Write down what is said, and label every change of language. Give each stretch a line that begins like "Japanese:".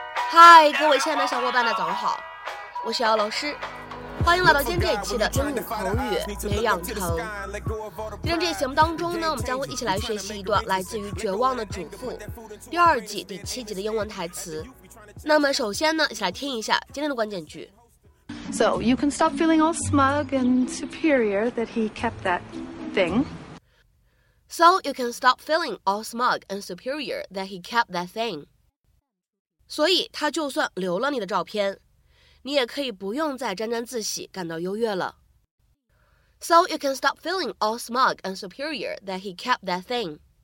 Chinese: 嗨，各位亲爱的小伙伴们，早上好，我是姚老师，欢迎来到今天这一期的英语口语培养成。今天这节目当中呢，我们将会一起来学习一段来自于《绝望的主妇》第二季第七集的英文台词。那么首先呢，一起来听一下今天的关键句。
English: So you can stop feeling all smug and superior that he kept that thing. So you can stop feeling all smug and superior that he kept that thing.
Chinese: 所以他就算留了你的照片，你也可以不用再沾沾自喜，感到优越了。
English: So you can stop feeling all smug and superior that he kept that thing.